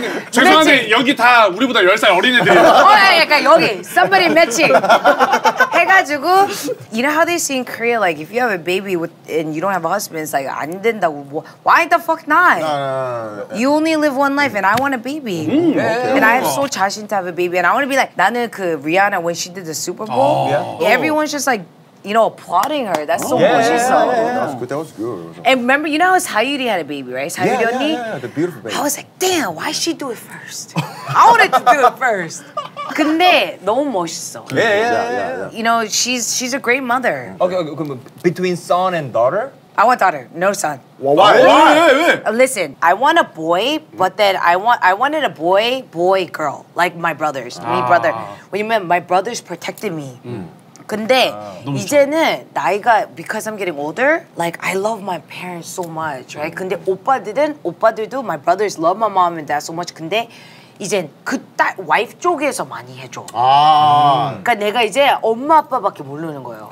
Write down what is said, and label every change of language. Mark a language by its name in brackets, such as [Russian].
[Korean] 죄송한데 여기 다 우리보다 10살 어린애들이에요. 그러니까 여기 [English] somebody matching [Korean] 해가지고 [English] you know how they say in Korea like if you have a baby with, and you don't have a husband it's like [Korean] 안 된다고 뭐, [English] why the fuck not? No, You only live one life and I want a baby. And I have so 자신 to have a baby and I want to be like [Korean] 나는 그 [English] Rihanna when she did the Super Bowl everyone's just like You know, applauding her. That's so cool. Yeah, yeah, yeah. That's good. That was good. And remember, you know how Sayuri had a baby, right? Sayuri yeah, yeah, yeah, the beautiful baby. I was like, damn, why she do it first? I wanted to do it first. [Korean] 근데 너무 멋있어. [English] Yeah. You know, she's a great mother. Okay. Between son and daughter? I want daughter. No son. Why? Listen, I want a boy, but then I wanted a boy, girl, like my brothers, me brother. What you mean? My brothers protected me. [Korean] 근데 이제는 나이가 [English] because I'm getting older, like I love my parents so much, right? [Korean] 근데 오빠들도 [English] my brothers love my mom and dad so much. [Korean] 근데 이젠 그 딸 와이프 쪽에서 많이 해줘. 아. 그러니까 내가 이제 엄마 아빠밖에 모르는 거예요.